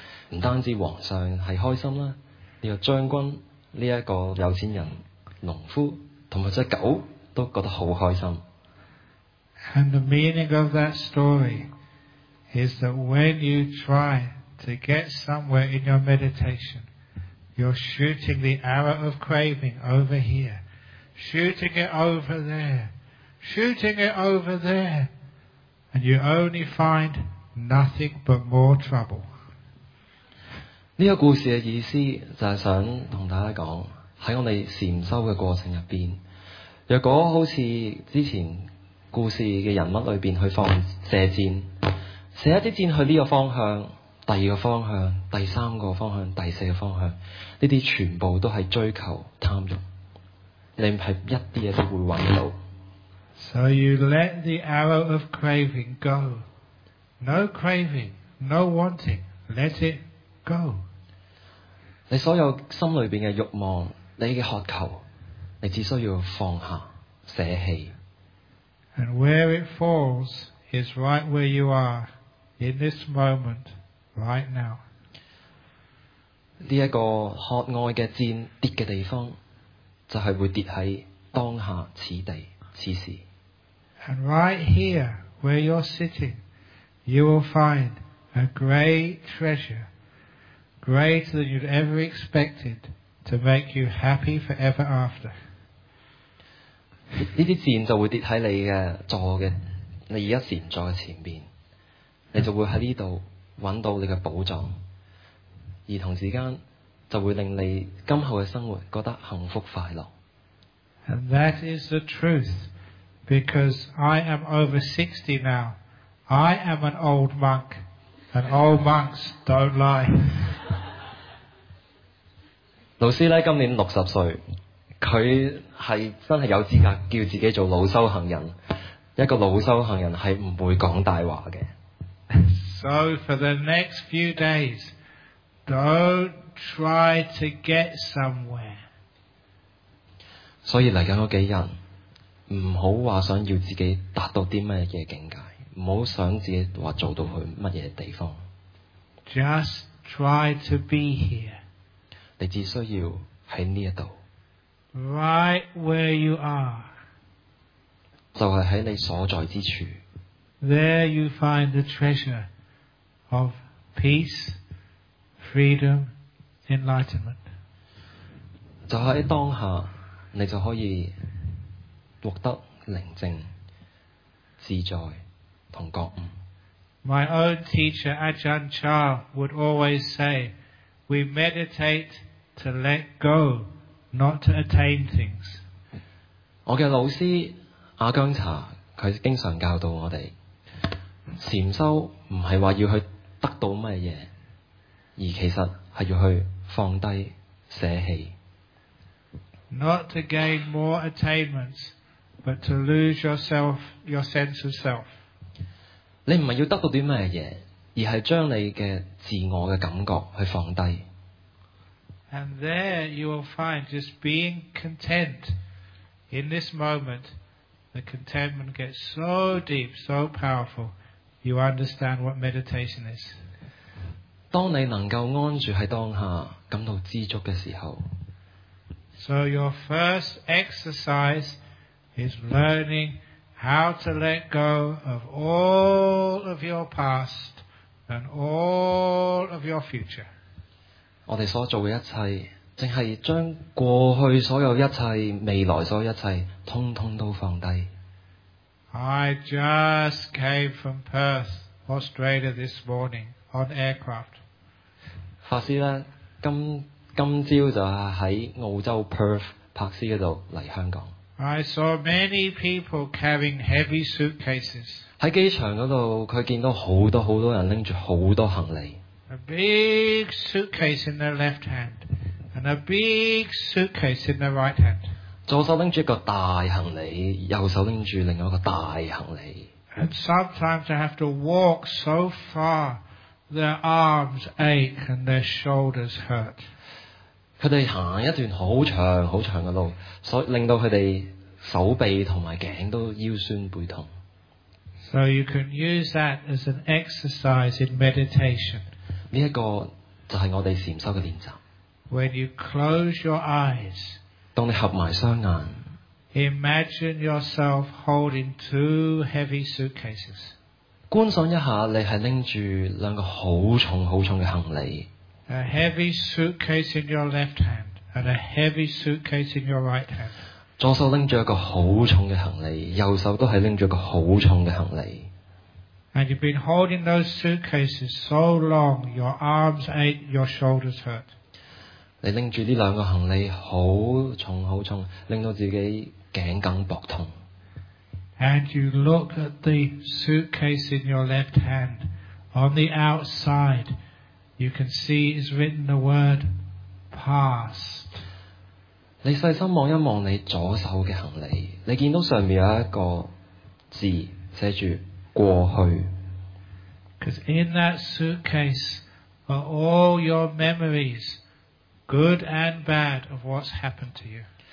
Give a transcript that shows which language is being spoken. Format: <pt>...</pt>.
<yue>唔单止皇上系开心啦，这个将军、这个有钱人、农夫同埋只狗都觉得好开心。</yue> <en>And the meaning of that story is that when you try to get somewhere in your meditation. You're shooting the arrow of craving over here, shooting it over there, shooting it over there, and you only find nothing but more trouble.</en> <yue>这个故事的意思就是想跟大家讲，在我们禅修的过程里面，如果好像之前故事的人物里面去放射箭，射一支箭去这个方向，第二个方向、第三个方向、第四个方向，这些全部都是追求贪欲，你是一啲嘢都会揾到。</yue> <en>So you let the arrow of craving go. No craving, no wanting, let it go.</en> <yue>你所有心里面的欲望、你的渴求，你只需要放下、舍弃。</yue> <en>And where it falls is right where you are in this moment. Right now,</en> <yue>这个渴爱的箭跌的地方，就是会跌在当下此地此时。</yue> <en>And right here where you're sitting, you will find a great treasure, greater than you'd ever expected, to make you happy forever after.</en> <yue>这些箭就会跌在你的坐的，你现在禅坐的前面，你就会在这里。找到你的宝藏，而同时间就会令你今后的生活觉得幸福快乐。</yue> <en>And that is the truth, because I am over 60 now. I am an old monk, and old monks don't lie.</en> <yue>老师呢今年60岁，他是真的有资格叫自己做老修行人，一个老修行人是不会讲大话的。</yue> <en>So for the next few days, don't try to get somewhere.</en> <yue>所以嚟紧嗰几日，唔好话想要自己达到啲乜嘢境界，唔好想自己话做到去乜嘢地方。</yue> <en>Just try to be here.</en> <yue>你只需要喺呢一度。</yue> <en>Right where you are.</en> <yue>就系喺你所在之处。</yue> <en>There you find the treasure. Of peace, freedom, enlightenment.</en> <yue>就喺当下，你就可以获得宁静、自在同觉悟。</yue> <en>My own teacher Ajahn Chah would always say, "We meditate to let go, not to attain things."</en> <yue>我嘅老师阿姜查，佢经常教导我哋，禅修唔系话要去得到乜嘢，而其实系要去放低舍弃。</yue> <en>Not to gain more attainments, but to lose yourself, your sense of self.</en> <yue>你唔系要得到啲乜嘢，而系将你嘅自我嘅感觉去放低。</yue> <en>And there you will find just being content in this moment, the contentment gets so deep, so powerful, you understand what meditation is.</en> <yue>当你能够安住喺当下，感到知足嘅时候。</yue> <en>So your first exercise is learning how to let go of all of your past and all of your future.</en> <yue>我哋所做嘅一切，正系将过去所有一切、未来所有一切，通通都放低。</yue> <en>I just came from Perth, Australia this morning on aircraft.</en> <yue>法师咧，今朝就喺澳洲 Perth 帕斯嗰度嚟香港。</yue> <en>I saw many people carrying heavy suitcases。</en> <yue>喺機場嗰度，佢見到好多好多人拎住好多行李。</yue> <en>A big suitcase in their left hand, and a big suitcase in their right hand。</en> <yue>左手拎住一個大行李，右手拎住另一個大行李。</yue> <en>And sometimes they have to walk so far, their arms ache and their shoulders hurt。</en> <yue>他们行一段很长很长的路，所以令到他们手臂和颈都腰酸背痛。</yue> <en>So you can use that as an exercise in meditation.</en> <yue>这个就是我们禅修的练习。</yue> <en>When you close your eyes,</en> <yue>当你合埋双眼，</yue> <en>imagine yourself holding two heavy suitcases.</en> <yue>观赏一下你是拎住两个很重很重的行李。</yue> <en>A heavy suitcase in your left hand and a heavy suitcase in your right hand.</en> <yue>左手拎着一个好重嘅行李，右手都系拎着一个好重嘅行李。</yue> <en>And you've been holding those suitcases so long, your arms ache, your shoulders hurt.</en> <yue>你拎住呢两个行李好重好重，令到自己颈梗膊痛。</yue> <en>And you look at the suitcase in your left hand on the outside. You can see it's written the word past.</en> <yue>你细心望一望你左手嘅行李，你见到上面有一个字写住过去。</yue> <en>Because in that suitcase are all your memories, good and bad, of what's happened to you.</en>